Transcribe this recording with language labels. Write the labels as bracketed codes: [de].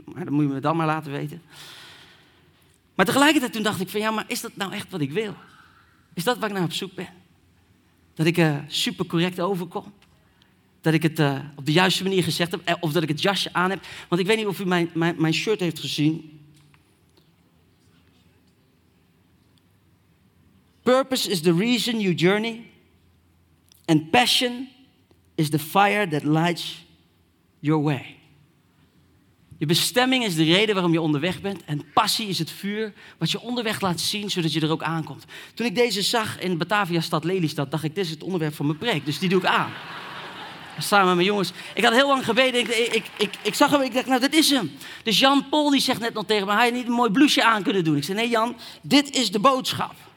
[nl] Maar dat moet je me dan maar laten weten. Maar tegelijkertijd toen dacht ik van, ja, maar is dat nou echt wat ik wil? Is dat waar ik naar op zoek ben? Dat ik super correct overkom? Dat ik het op de juiste manier gezegd heb. Of dat ik het jasje aan heb. Want ik weet niet of u mijn shirt heeft gezien. [en] Purpose is the reason you journey. And passion is the fire that lights your way. [nl] Je bestemming is de reden waarom je onderweg bent. En passie is het vuur wat je onderweg laat zien, zodat je er ook aankomt. Toen ik deze zag in Batavia stad Lelystad, dacht ik, dit is het onderwerp van mijn preek. Dus die doe ik aan. Samen met mijn jongens. Ik had heel lang gebeden. Ik zag hem. Ik dacht, nou, dit is hem. Dus Jan Pol die zegt net nog tegen me, hij had niet een mooi blouseje aan kunnen doen. Ik zei, nee Jan, dit is de boodschap.